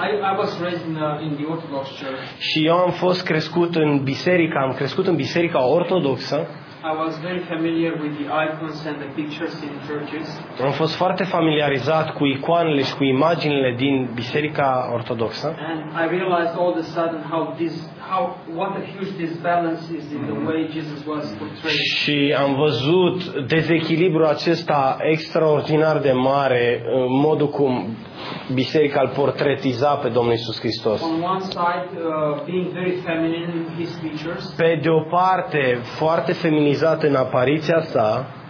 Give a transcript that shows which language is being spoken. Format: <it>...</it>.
<en>I was raised in the Orthodox Church.</en> <ro>Și eu am fost crescut în biserică, am crescut în biserica ortodoxă.</ro> <en>I was very familiar with the icons and the pictures in churches.</en> <ro>Am fost foarte familiarizat cu icoanele și cu imaginile din biserica ortodoxă.</ro> <en>And I realized all of a sudden what a huge disbalance is in the way Jesus was portrayed.</en> <ro>Și am văzut dezechilibrul acesta extraordinar de mare în modul cum biserica îl portretiza pe Domnul Iisus Hristos.</ro> <en>On one side, being very feminine in his features.</en> <ro>Pe de o parte, foarte feminizat în apariția sa.</ro>